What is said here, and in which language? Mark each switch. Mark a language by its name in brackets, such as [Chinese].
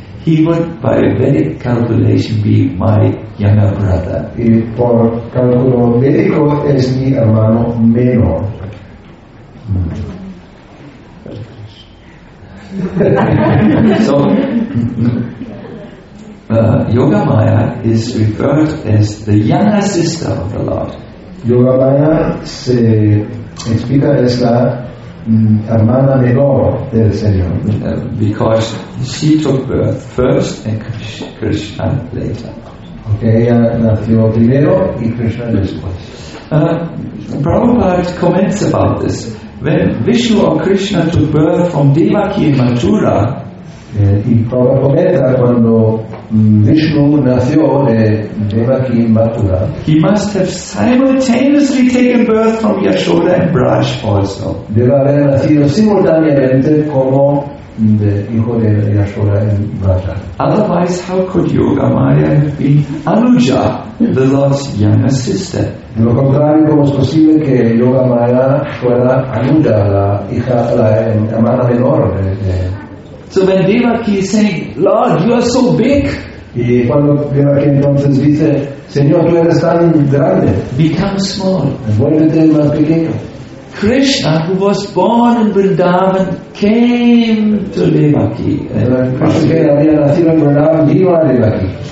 [English] He would, by Vedic calculation, be my younger brother. [Spanish] Y por cálculo médico es mi hermano menor. [English] So, Yogamaya is referred as the younger sister of the Lord. [Spanish] Yogamaya se explica es la hermana menor del Señor. [English] Because she took birth first and Krishna later. [Spanish] Okay, ella nació primero y Krishna después. [English] Prabhupada comments about this. when Vishnu or Krishna took birth from Devaki in Mathura, [Spanish] in Prabhupada, cuando Vishnu nació de Devaki in Mathura, [English] he must have simultaneously taken birth from Yashoda and Braj also. [Spanish] Debe haber nacido simultáneamente como de hijo de Yashoda y Braja. [English] Otherwise, how could Yoga Maya have been Anuja, the Lord's younger sister? [Spanish] De lo contrario, ¿cómo es posible que Yoga Maya fuera Anuja, la hija, la hermana menor de? [English] So when Devaki is saying, Lord, you are so big. [Spanish] Y cuando Devaki entonces dice, Señor, tú eres tan grande. [English] Become small. [Spanish] Vuélvete más pequeño. [English] Krishna, who was born in Vrindavan, came to Devaki. [Spanish] Krishna, que había nacido en Vrindavan, vino a Devaki.